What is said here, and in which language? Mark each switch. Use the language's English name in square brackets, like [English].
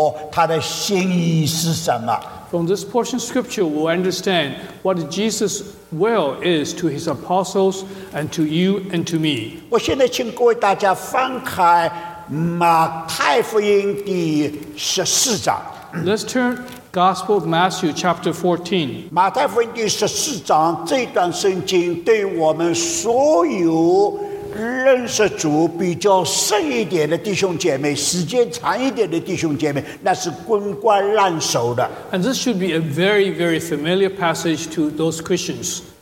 [Chinese] 让我们从这段圣经里头来看见我主耶稣基督对他的门徒，对你，对我，他的心意是什么。 [English] From this portion of scripture, we'll understand what Jesus' will is to his apostles and to you and to me. [Chinese] 我现在请各位大家翻开马太福音第十四章。 [English] Let's turn Gospel of Matthew chapter 14. [Chinese] 马太福音第十四章这段圣经对我们所有认识主比较深一点的弟兄姐妹，时间长一点的弟兄姐妹，那是滚瓜烂熟的。 [English] And this should be a very, very familiar passage to those Christians.